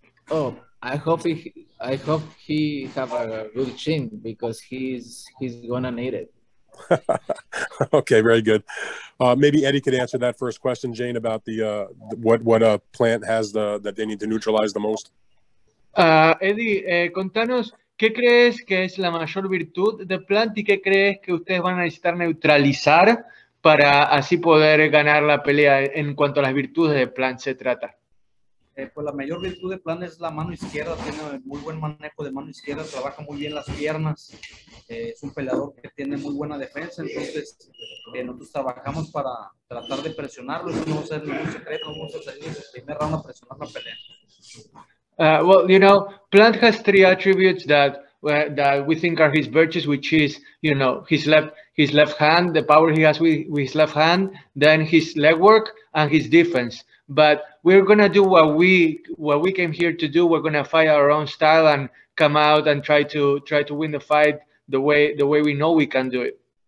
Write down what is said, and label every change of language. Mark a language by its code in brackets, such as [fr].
[en] Oh, I hope he have a good chin, because he's going to need it. Okay, very good. Maybe Eddie could answer that first question, Jane, about the what Plant has that they need to neutralize the most. [es] Eddie, contanos. ¿Qué crees que es la mayor virtud de Plant y qué crees que ustedes van a necesitar neutralizar para así poder ganar la pelea en cuanto a las virtudes de Plant se trata? Pues la mayor virtud de Plant es la mano izquierda, tiene muy buen manejo de mano izquierda, trabaja muy bien las piernas, es un peleador que tiene muy buena defensa, entonces nosotros trabajamos para tratar de presionarlo, eso no va a ser ningún secreto, vamos a salir en el primer round a presionar la pelea. [en] Well, you know, Plant has three attributes that that we think are his virtues, which is, you know, his left hand, the power he has with his left hand, then his legwork and his defense. But we're gonna do what we came here to do. We're gonna fight our own style and come out and try to win the fight the way we know we can do it.